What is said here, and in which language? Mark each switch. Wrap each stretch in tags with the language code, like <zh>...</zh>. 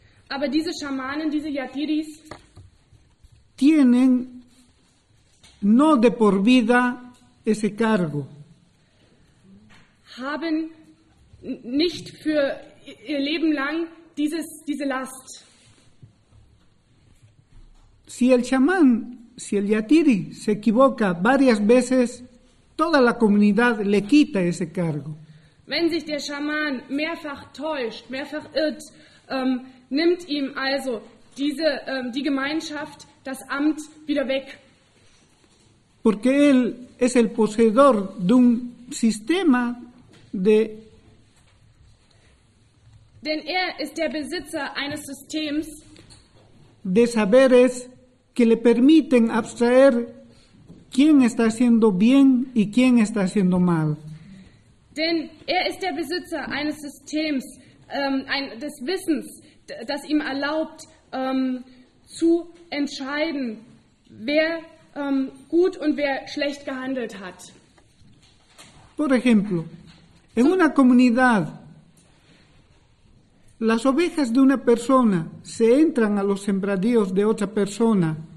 <de>aber diese Schamanen, diese Yatiris,</de> <es>tienen no de por vida ese cargo.</es> <de>Haben nicht für ihr Leben lang diese Last.</de> <es>Si el chamán, si el yatiri se equivoca varias veces, toda la comunidad le quita ese cargo.</es> <de>Wenn sich der Schaman mehrfach täuscht, mehrfach irrt, nimmt ihm also die Gemeinschaft das Amt wieder weg.</de> <es>Porque él es el poseedor de un sistema de.</es> <de>Denn er ist der Besitzer eines Systems.</de> <es>De saberes que le permiten abstraer quién está haciendo bien y quién está haciendo mal.</es> <de>Denn er ist der Besitzer eines Systems, des Wissens, das ihm erlaubt, zu entscheiden, wer gut und wer schlecht gehandelt hat.</de> <es>Por ejemplo, en una comunidad, las ovejas de una persona se entran a los sembradíos de otra persona.</es>